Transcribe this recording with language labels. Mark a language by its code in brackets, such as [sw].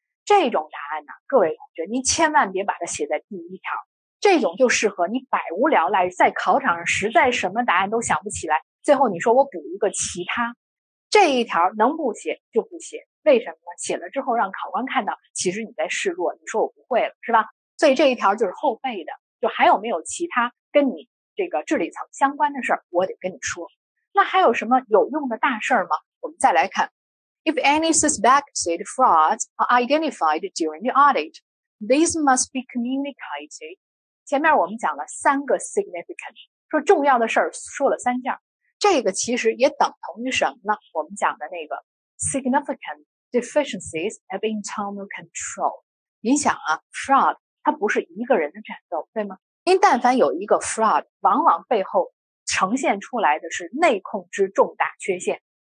[zh] 这种答案呢，各位同学，您千万别把它写在第一条，这种就适合你百无聊赖在考场上，实在什么答案都想不起来，最后你说我补一个其他，这一条能不写就不写。为什么呢？写了之后让考官看到其实你在示弱，你说我不会了是吧。所以这一条就是后背的，就还有没有其他跟你这个智力层相关的事儿，我得跟你说。那还有什么有用的大事吗？我们再来看。 [en] If any suspected frauds are identified during the audit, these must be communicated. [zh] 前面我们讲了三个 significant, 说重要的事儿说了三件。这个其实也等同于什么呢？我们讲的那个 [en] significant deficiencies of internal control。 [zh] 你想啊， fraud, 它不是一个人的战斗，对吗？您但凡有一个 fraud, 往往背后呈现出来的是内控之重大缺陷。